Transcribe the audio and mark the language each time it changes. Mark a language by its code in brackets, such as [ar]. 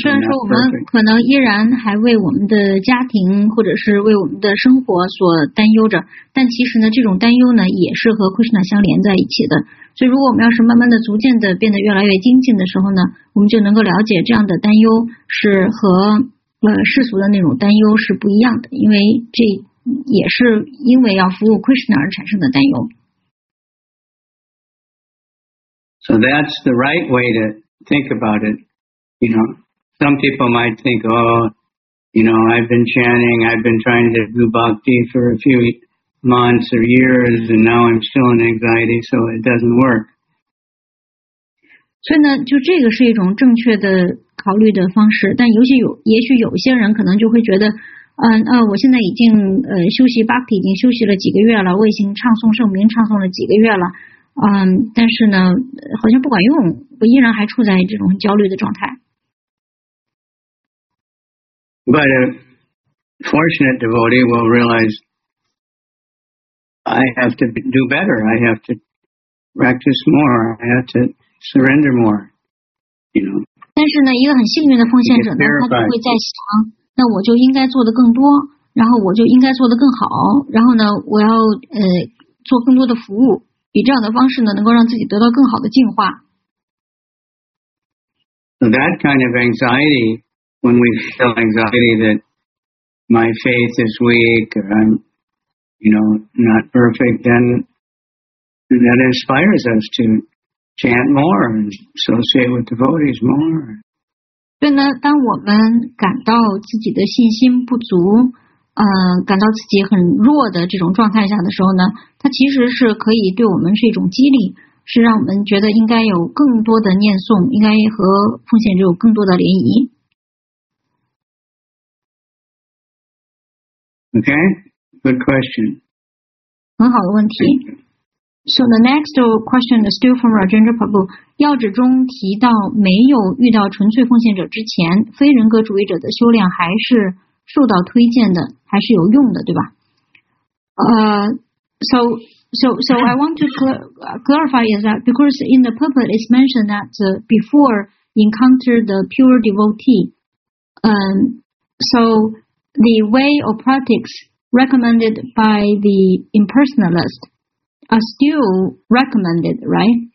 [en] that. [zh] 虽然说我们可能依然还为我们的家庭或者是为我们的生活所担忧着，但其实呢，这种担忧呢，也是和 Krishna 相连在一起的。所以如果我们要是慢慢的逐渐的变得越来越精进的时候呢，我们就能够了解这样的担忧是和世俗的那种担忧是不一样的，因为这也是因为要服务 Krishna 而产生的担忧。 [en] So that's the right way to think about it. You know, some people might think, oh, you know, I've been chanting, I've been trying to do bhakti for a few weeks. months or years, and now I'm still in anxiety, so it doesn't work. [zh] 所以呢，就这个是一种正确的考虑的方式。但也许有些人可能就会觉得，我现在已经休息 Bhakti 已经休息了几个月了，我已经唱诵圣名唱诵了几个月了，但是呢，好像不管用，我依然还处在这种焦虑的状态。 [en] But a fortunate devotee will realize. I have to do better. I have to practice more. I have to surrender more. You know. [zh] 但是呢，一个很幸运的奉献者呢，他就会在想，那我就应该做的更多，然后我就应该做的更好，然后呢，我要做更多的服务，以这样的方式呢，能够让自己得到更好的进化。 [en] So that kind of anxiety, when we feel anxiety that my faith is weak or I'm, you know, not perfect, then that inspires us to chant more and associate with devotees more. [zh] 对呢，当我们感到自己的信心不足，感到自己很弱的这种状态下的时候呢，它其实是可以对我们是一种激励，是让我们觉得应该有更多的念诵，应该和奉献者有更多的联谊。 [en] Okay. Good question. [zh] 很好的问题。 [en] So the next question is still from Rajendra Prabhu. [zh] 要旨中提到没有遇到纯粹奉献者之前，非人格主义者的修炼还是受到推荐的，还是有用的，对吧？ [en] So I want to clarify is that because in the purport it's mentioned that before encounter the pure devotee, so the way or practice. Recommended by the impersonalist are still recommended, right?